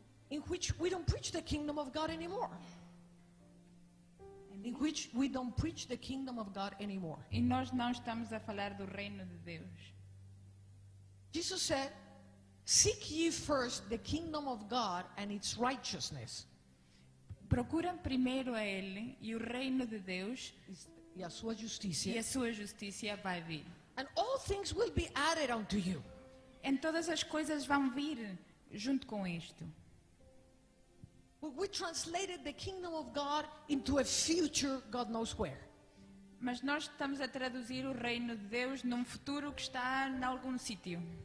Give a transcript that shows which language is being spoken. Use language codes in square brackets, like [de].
[en] in which we don't preach the kingdom of God anymore. In which we don't preach the kingdom of God anymore. [pt] E nós não estamos a falar do reino de Deus. [en] Jesus said, "Seek ye first the kingdom of God and its righteousness." [pt] Procurem primeiro a Ele e o reino de Deus e a sua justiça. E a sua justiça vai vir. [en] And all things will be added unto you. [pt] E todas as coisas vão vir junto com isto. [en] We translated the kingdom of God into a future God knows where. [pt] Mas nós estamos a traduzir o reino de Deus num futuro que está em algum sítio.